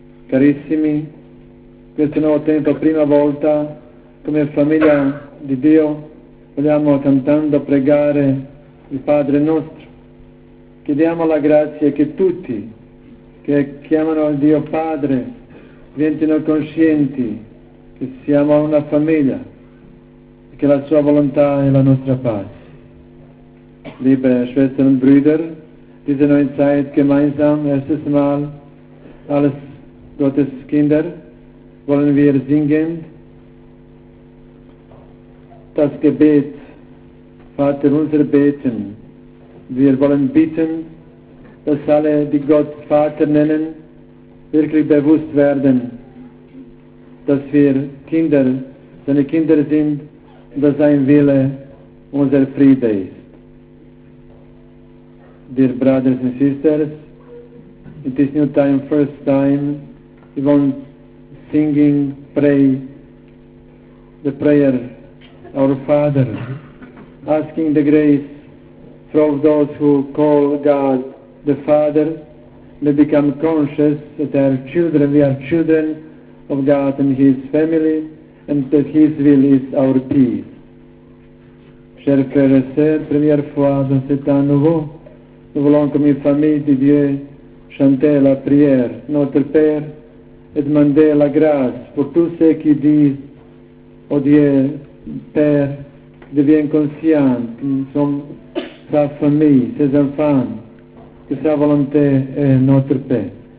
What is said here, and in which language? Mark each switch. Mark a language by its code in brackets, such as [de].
[it] Carissimi, che se nuovo tempo prima volta, come famiglia di Dio, vogliamo cantando pregare il Padre nostro. Chiediamo la grazia che tutti che chiamano Dio Padre diventino coscienti che siamo una famiglia, che la sua volontà è la nostra pace. [de] Liebe Schwestern und Brüder, diese neue Zeit gemeinsam, erstes Mal, alles Gottes Kinder, wollen wir singen das Gebet, Vater unser beten. Wir wollen bitten, dass alle, die Gott Vater nennen, wirklich bewusst werden, dass wir Kinder, seine Kinder sind, dass sein Wille unser Friede ist. [en] Dear brothers and sisters, in this new time, first time, we want singing, pray, the prayer, our Father, asking the grace for all those who call God the Father, they become conscious that they are children, we are children of God and His family, and that His will is our peace. [fr] Chers frères et sœurs, première fois dans cet temps nouveau, nous voulons comme une famille de Dieu chanter la prière, notre Père, et demander la grâce pour tous ceux qui disent, oh Dieu, Père, deviens conscient que nous sommes sa famille, ses enfants, que sa volonté est notre Père.